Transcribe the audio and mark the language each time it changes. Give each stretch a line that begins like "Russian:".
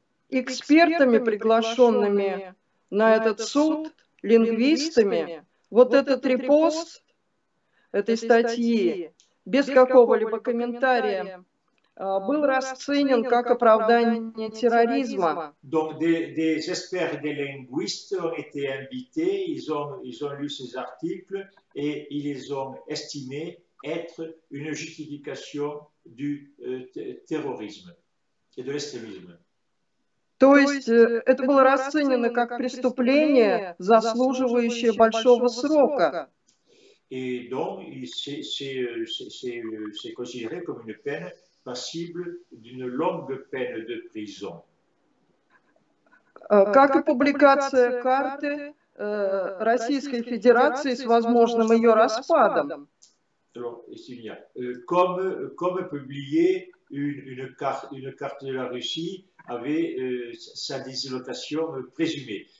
Russian: Экспертами, приглашенными на этот суд, лингвистами, вот этот репост этой статьи без какого-либо комментария был расценен как оправдание терроризма.
French: Donc des experts, des linguistes ont été invités, ils ont lu ces articles et ils les ont estimés être une justification du terrorisme et de l'extrémisme.
Russian: То есть это было расценено как преступление, заслуживающее большого срока.
French: И donc, c'est considéré comme une peine passible d'une longue peine de prison.
Russian: Как и публикация карты Российской Федерации с возможным ее распадом.
French: Comme publier une carte de la Russie avec sa dislocation présumée.